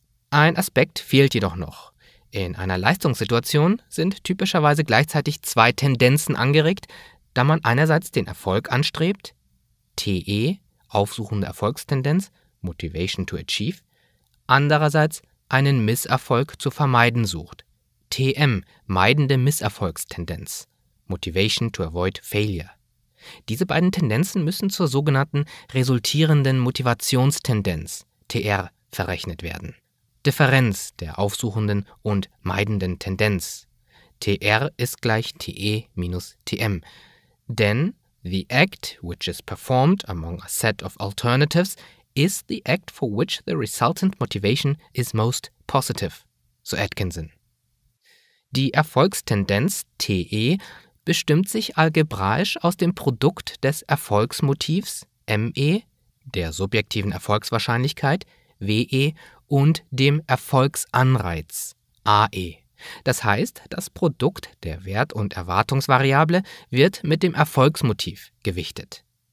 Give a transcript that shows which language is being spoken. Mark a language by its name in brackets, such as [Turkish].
[German] Ein Aspekt fehlt jedoch noch. In einer Leistungssituation sind typischerweise gleichzeitig zwei Tendenzen angeregt, da man einerseits den Erfolg anstrebt, TE, aufsuchende Erfolgstendenz, Motivation to Achieve, andererseits einen Misserfolg zu vermeiden sucht, TM, meidende Misserfolgstendenz, Motivation to Avoid Failure. Diese beiden Tendenzen müssen zur sogenannten resultierenden Motivationstendenz, TR, verrechnet werden. Differenz der aufsuchenden und meidenden Tendenz. TR ist gleich TE minus TM. [English] Denn the act which is performed among a set of alternatives is the act for which the resultant motivation is most positive, so Atkinson. [German] Die Erfolgstendenz TE bestimmt sich algebraisch aus dem Produkt des Erfolgsmotivs ME, der subjektiven Erfolgswahrscheinlichkeit WE und dem Erfolgsanreiz, AE. Das heißt, das Produkt der Wert- und Erwartungsvariable wird mit dem Erfolgsmotiv gewichtet.